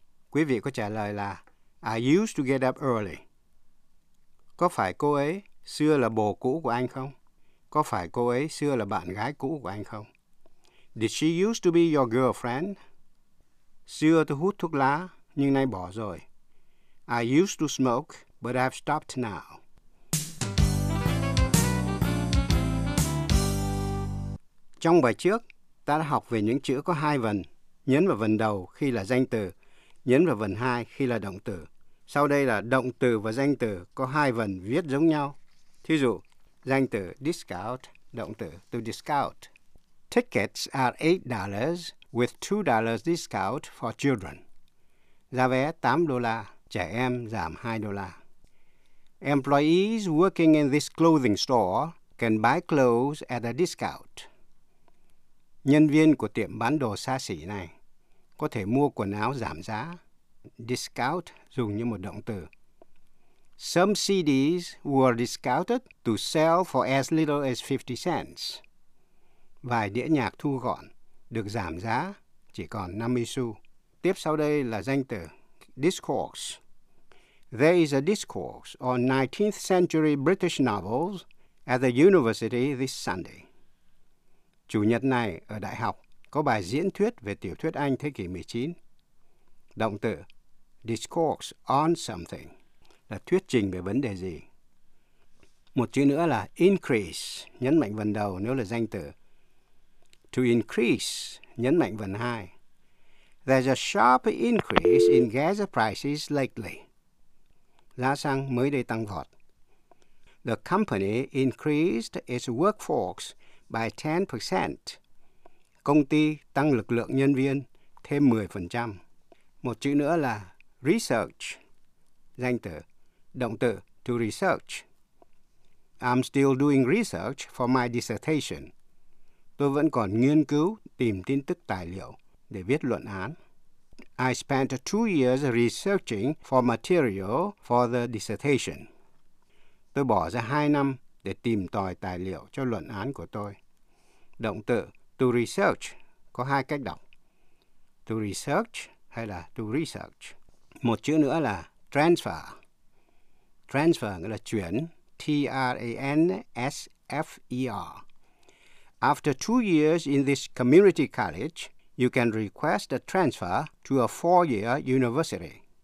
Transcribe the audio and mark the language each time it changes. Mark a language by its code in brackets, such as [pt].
[vi] Quý vị có trả lời là [en] I used to get up early. [vi] Có phải cô ấy xưa là bồ cũ của anh không? Có phải cô ấy xưa là bạn gái cũ của anh không? [en] Did she used to be your girlfriend? [vi] Xưa tôi hút thuốc lá, nhưng nay bỏ rồi. [en] I used to smoke, but I've stopped now. [vi] Trong bài trước, ta đã học về những chữ có hai vần, nhấn vào vần đầu khi là danh từ, nhấn vào vần 2 khi là động từ. Sau đây là động từ và danh từ có hai vần viết giống nhau. Thí dụ, danh từ discount, động từ to discount. [en] Tickets are $8 with $2 discount for children. [vi] Giá vé $8, trẻ em giảm $2. [en] Employees working in this clothing store can buy clothes at a discount. [vi] Nhân viên của tiệm bán đồ xa xỉ này có thể mua quần áo giảm giá. Discount dùng như một động từ. [en] Some CDs were discounted to sell for as little as 50 cents. [vi] Vài đĩa nhạc thu gọn được giảm giá chỉ còn 50 xu. Tiếp sau đây là danh từ discourse. [en] There is a discourse on 19th century British novels at the university this Sunday. [vi] Chủ nhật này ở đại học có bài diễn thuyết về tiểu thuyết Anh thế kỷ 19. Động từ discourse on something, là thuyết trình về vấn đề gì. Một chữ nữa là increase, nhấn mạnh vần đầu nếu là danh từ. [en] To increase, [vi] nhấn mạnh vần hai. [en] There's a sharp increase in gas prices lately. [vi] Giá xăng mới đây tăng vọt. [en] The company increased its workforce by 10%. [vi] Công ty tăng lực lượng nhân viên thêm 10%. Một chữ nữa là research, danh từ, động từ, to research. [en] I'm still doing research for my dissertation. [vi] Tôi vẫn còn nghiên cứu, tìm tin tức tài liệu để viết luận án. [en] I spent 2 years researching for material for the dissertation. [vi] Tôi bỏ ra 2 năm để tìm tòi tài liệu cho luận án của tôi. Động từ to research có 2 cách đọc. To research hay là to research. Một chữ nữa là transfer. Transfer nghĩa là chuyển. [en] T-R-A-N-S-F-E-R. After 2 years in this community college, you can request a transfer to a 4-year university.